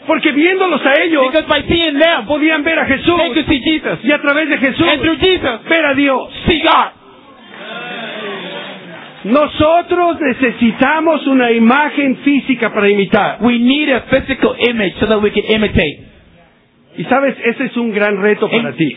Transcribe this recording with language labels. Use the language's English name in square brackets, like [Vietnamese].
[Spanish] porque viéndolos a ellos, [English] because by seeing them, [Spanish] podían ver a Jesús, [English] they could see Jesus, [Spanish] y a través de Jesús, [English] and through Jesus, [Spanish] ver a Dios, [English] see God. [Spanish] Nosotros necesitamos una imagen física para imitar. [English] We need a physical image so that we can imitate. [Spanish] Y sabes, ese es un gran reto para ti.